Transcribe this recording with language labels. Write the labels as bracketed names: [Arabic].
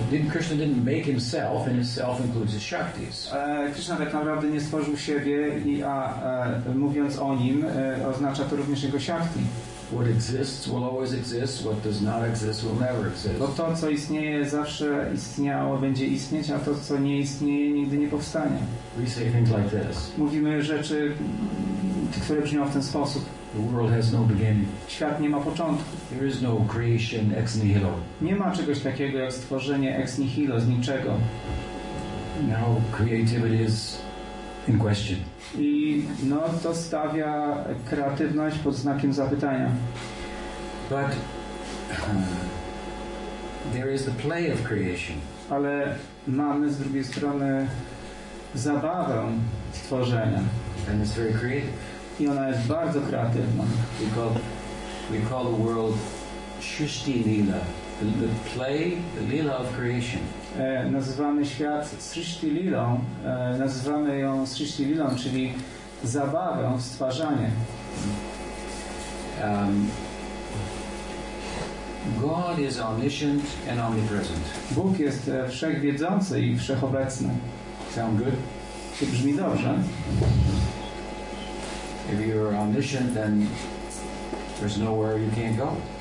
[English] Krishna didn't make himself, and himself includes his shaktis. [Polish] Krishna tak naprawdę nie stworzył siebie, a mówiąc o nim, oznacza to również jego shakti. [English] What exists will always exist, what does not exist will never exist. [Polish] Bo to, co istnieje, zawsze istniało, będzie istnieć, a to, co nie istnieje, nigdy nie powstanie. [English] We say things like this. [Polish] Mówimy rzeczy, które brzmią w ten sposób. [English] The world has no beginning. [Polish] Świat nie ma początku. [English] There is no creation ex nihilo. [Polish] Nie ma czegoś takiego jak stworzenie ex nihilo, z niczego. [English] Now creativity is in question. [Polish] I no, to stawia kreatywność pod znakiem zapytania. [English] But there is the play of creation. [Polish] Ale mamy z drugiej strony zabawę stworzenia. [English] And it's very creative. [Polish] I ona jest bardzo kreatywna. [English] We call the world Srishti Lila, the play, the Lila of creation. [Polish] Nazywamy świat Srishti Lilą, nazywamy ją Srishti Lilą, czyli zabawę w stwarzanie. [English] God is omniscient and omnipresent. [Polish] Bóg jest wszechwiedzący i wszechobecny. [English] Sound good? [Polish] Czy brzmi dobrze? [English] If you're omniscient, then there's nowhere you can't go.